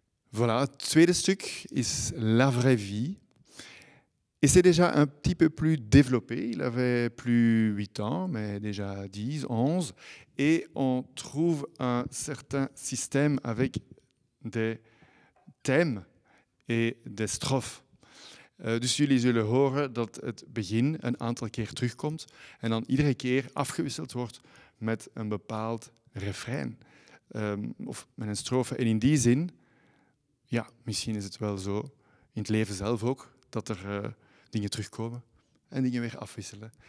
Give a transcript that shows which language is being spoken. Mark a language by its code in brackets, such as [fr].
[nl] Voilà, het tweede stuk is La vraie vie. [fr] Et c'est déjà un petit peu plus développé. Il avait plus 8 ans, mais déjà 10, 11. Et on trouve un certain système avec des thèmes et des strophes. [nl] Dus jullie zullen horen dat het begin een aantal keer terugkomt en dan iedere keer afgewisseld wordt met een bepaald refrein. Of met een strofe. En in die zin, ja, misschien is het wel zo in het leven zelf ook dat er dingen terugkomen en dingen weer afwisselen.